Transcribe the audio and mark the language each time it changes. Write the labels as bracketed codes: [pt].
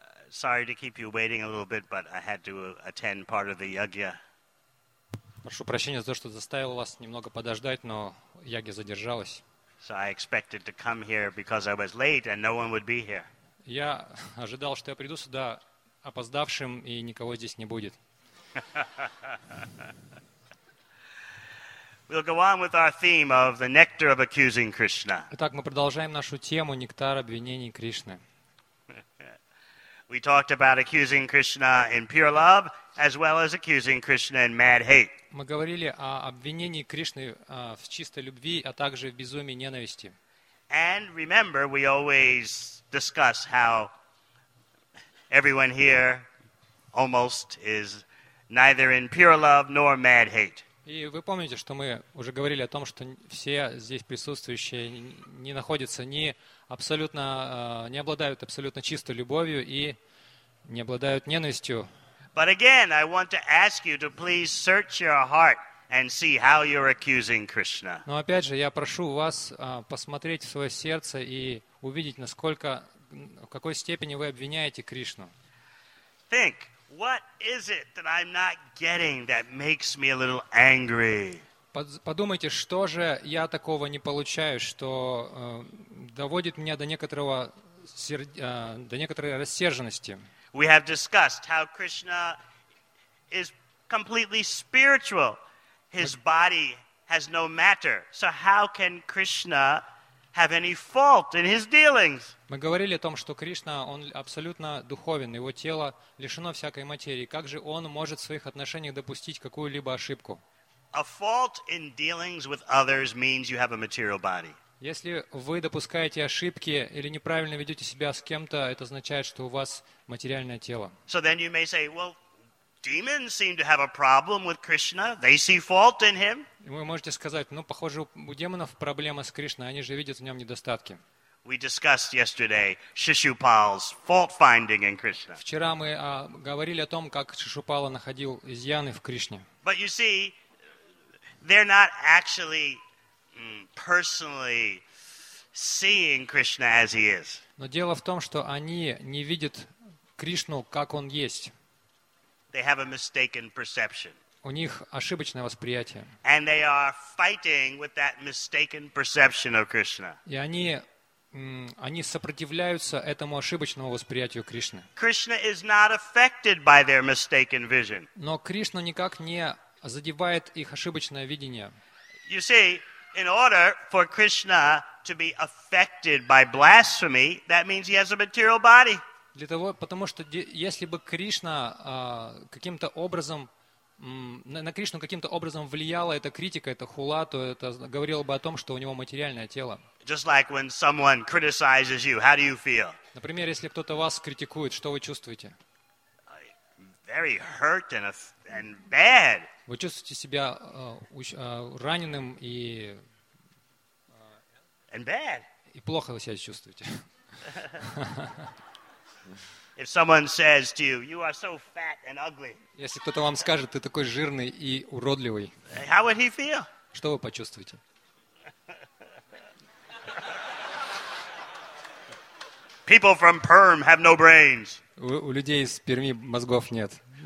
[en] Sorry to keep you waiting a little bit, but I had to attend part of the yagya. [ru] Прошу прощения за то, что заставил вас немного подождать, но яги задержалась. [en] So I expected to come here because I was late and no one would be here. [ru] Я ожидал, что я приду сюда опоздавшим и никого здесь не будет. [en] We'll go on with our theme of the nectar of accusing Krishna. [ru] Итак, мы продолжаем нашу тему «Нектар обвинений Кришны». [en] We talked about accusing Krishna in pure love, as well as accusing Krishna in mad hate. [ru] Мы говорили о обвинении Кришны в чистой любви, а также в безумии ненависти. [en] And remember, we always discuss how everyone here almost is neither in pure love nor mad hate. [ru] И вы помните, что мы уже говорили о том, что все здесь присутствующие не находятся ни абсолютно, не обладают абсолютно чистой любовью и не обладают ненавистью. [en] But again, I want to ask you to please search your heart and see how you're accusing Krishna. [ru] Но опять же, я прошу вас посмотреть в свое сердце и увидеть, насколько, в какой степени вы обвиняете Кришну. [en] Think. What is it that I'm not getting that makes me a little angry? [ru] Подумайте, что же я такого не получаю, что доводит меня до некоторой рассерженности. [en] We have discussed how Krishna is completely spiritual. His body has no matter. So how can Krishna have any fault in his dealings? [ru] Мы говорили о том, что Кришна, он абсолютно духовен, его тело лишено всякой материи. Как же он может в своих отношениях допустить какую-либо ошибку? [en] A fault in dealings with others means you have a material body. [ru] Если вы допускаете ошибки или неправильно ведете себя с кем-то, это означает, что у вас материальное тело. [en] So then you may say, well, demons seem to have a problem with Krishna. They see fault in him. [ru] Вы можете сказать, ну, похоже, у демонов проблема с Кришной, они же видят в нем недостатки. [en] We discussed yesterday Shishupal's fault-finding in Krishna. [ru] Вчера мы говорили о том, как Шишупала находил изъяны в Кришне. [en] But you see, they're not actually personally seeing Krishna as he is. [ru] Но дело в том, что они не видят Кришну, как он есть. [en] They have a mistaken perception. [ru] У них ошибочное восприятие. [en] And they are fighting with that mistaken perception of Krishna. [ru] И они сопротивляются этому ошибочному восприятию Кришны. [en] Krishna is not affected by their mistaken vision. [ru] Но Кришна никак не задевает их ошибочное видение. [en] You see, in order for Krishna to be affected by blasphemy, that means he has a material body. [ru] Для того, потому что если бы Кришна каким-то образом на Кришну каким-то образом влияла эта критика, эта хула, то это говорило бы о том, что у него материальное тело. [en] Just like when someone criticizes you, how do you feel? [ru] Например, если кто-то вас критикует, что вы чувствуете? [en] Very hurt and bad. [ru] Вы чувствуете себя раненым и [en] and bad. [ru] И плохо вы себя чувствуете. [en] If someone says to you, you are so fat and ugly. [ru] Если кто-то вам скажет, ты такой жирный и уродливый. [en] How would he feel? [ru] Что вы почувствуете? [en] People from Perm have no brains. [ru] У людей из Перми мозгов нет.